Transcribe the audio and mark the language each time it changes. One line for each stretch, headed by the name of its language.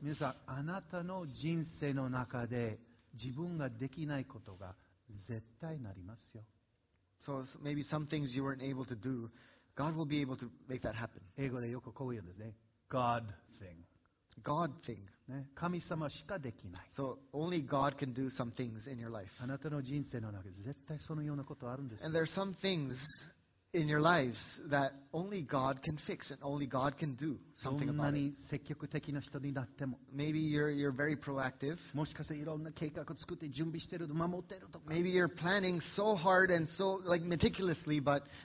Japanese: 皆さんあなたの人生の中で自分ができないことが絶対なりますよ。
English: So maybe some things you weren't able to do, God will be able to make that happen.
Japanese: 英語でよくこう言うんですね。
English: God thing. God thing.
Japanese: 神様しかできない。
English: So only God can do some things in your life.
Japanese: あなたの人生の中で絶対そのようなことあるんです。
English: And there are some things in your lives that only God can fix and only God can do something about it.
Japanese: どんなに積極的な人になっても。
English: Maybe you're very proactive.
Japanese: もしかしていろんな計画を作って準備してる、守ってるとか。
English: Maybe you're planning so hard and so like meticulously, but